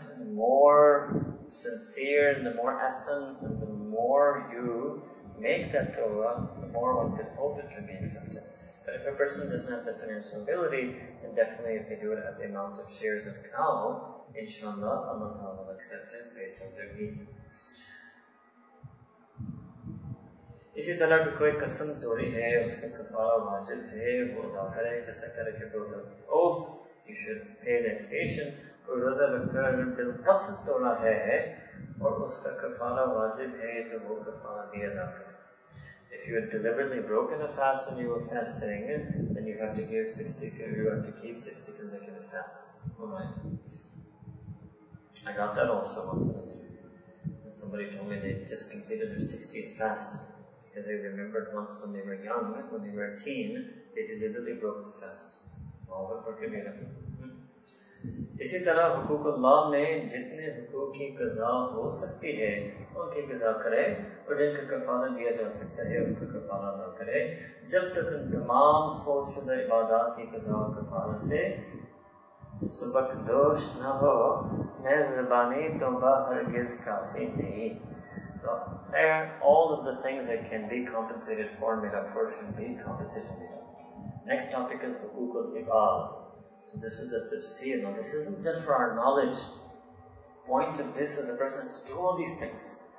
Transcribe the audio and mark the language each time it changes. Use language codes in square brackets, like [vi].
[en] The more sincere and the more essence, and the more you make that dawah, the more one can hope it can be accepted. But if a person doesn't have the financial ability, then definitely if they do it at the amount of shares of cow, inshallah, Allah Ta'ala will accept it based on their need. [ur] اسی طرح کی کوئی قسم توڑی ہے اس کا کفارہ واجب ہے وہ ادا کرے, جیسا کہ [en] if you broke an oath, you should pay the expiation. [ur] کوئی روزہ رکھ کر بالقصد توڑا ہے اور اس کا کفارہ واجب ہے تو وہ کفارہ بھی ادا کرے. [en] If you had deliberately broken a fast and you were fasting, then you have to give 60, you have to keep 60 consecutive fasts. Alright. I got that also once in a day. Somebody told me they just completed their 60th fast because they remembered once when they were young, when they were a teen, they deliberately broke the fast. All of it were [ur] اسی طرح حقوق اللہ میں جتنے حقوق کی قضاء ہو سکتی ہے ان کی قضاء کرے, اور جن کا کفارہ دیا جا سکتا ہے ان کا کفارہ نہ کرے, جب تک ان تمام فوت شدہ عبادات کی قضاء و کفارہ سے سبق دوش نہ ہو. میں زبانی توبہ ہرگز کافی نہیں. [en] So, there, all of the things that can be compensated for made up for should be compensated made up. Next topic is حقوق العباد. So this was the tafsir. Now this isn't just for our knowledge. The point of this is a person has to do all these things.